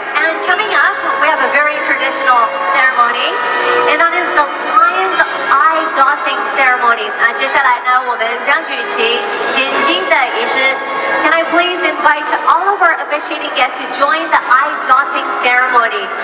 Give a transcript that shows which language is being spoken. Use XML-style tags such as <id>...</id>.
<en>And coming up, we have a very traditional ceremony, and that is the lion's eye dotting ceremony.</en> <zh>那接下来呢，我们将举行点睛的仪式.</zh> <en>Can I please invite all of our officiating guests to join the eye dotting ceremony?</en>